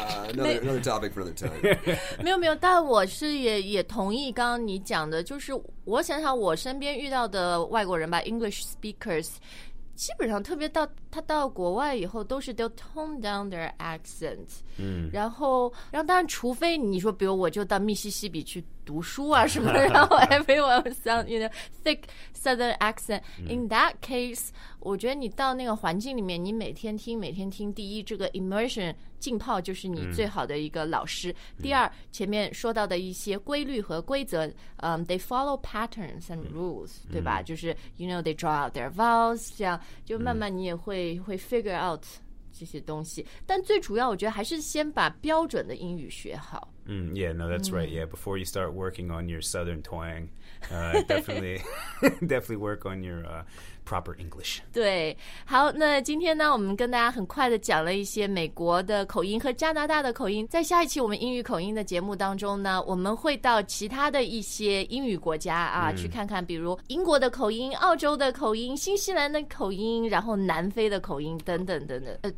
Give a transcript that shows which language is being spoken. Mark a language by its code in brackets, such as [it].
[en] another topic for another time. [zh] 没有没有，但我是也同意刚刚你讲的，就是我想想我身边遇到的外国人吧 ， [en] English speakers， [zh] 基本上特别到他到国外以后，都是 [en] they'll tone down their accent。嗯， [zh] 然后当然，除非你说，比如我就到密西西比去读书啊什么，然后 [en] everyone sound you know thick southern accent、 [zh] 嗯。 [en] In that case。 [zh] 我觉得你到那个环境里面，你每天听，每天听。第一，这个 immersion 浸泡就是你最好的一个老师。第二，前面说到的一些规律和规则， [en] they follow patterns and rules， [zh] 对吧？就是 [en] you know they draw out their vowels， [zh] 这样就慢慢你也会 [en] figure out [zh] 这些东西。但最主要，我觉得还是先把标准的英语学好。 [en] Yeah, no, that's right. Yeah, before you start working on your southern twang, definitely, definitely work on your proper English. [zh] 对，好，那今天呢，我们跟大家很快的讲了一些美国的口音和加拿大的口音。在下一期我们英语口音的节目当中呢，我们会到其他的一些英语国家啊，去看看，比如英国的口音、澳洲的口音、新西兰的口音，然后南非的口音等等等等。